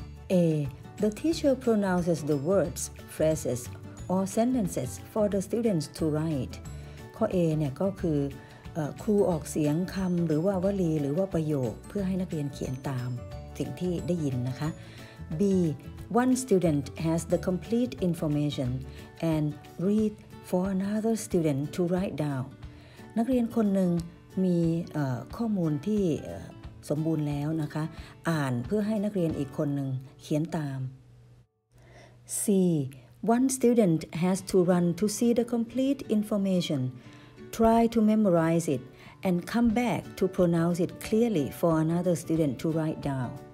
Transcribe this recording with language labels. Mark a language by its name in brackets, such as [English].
[English] A. The teacher pronounces the words, phrases, or sentences for the students to write [Thai] ข้อ A เนี่ยก็คือครูออกเสียงคำหรือว่าวลีหรือว่าประโยคเพื่อให้นักเรียนเขียนตามสิ่งที่ได้ยินนะคะ [English] B. One student has the complete information and read for another student to write down [Thai] นักเรียนคนหนึ่งมีข้อมูลที่สมบูรณ์แล้วนะคะอ่านเพื่อให้นักเรียนอีกคนหนึ่งเขียนตาม [English] C. One student has to run to see the complete information, try to memorize it, and come back to pronounce it clearly for another student to write down.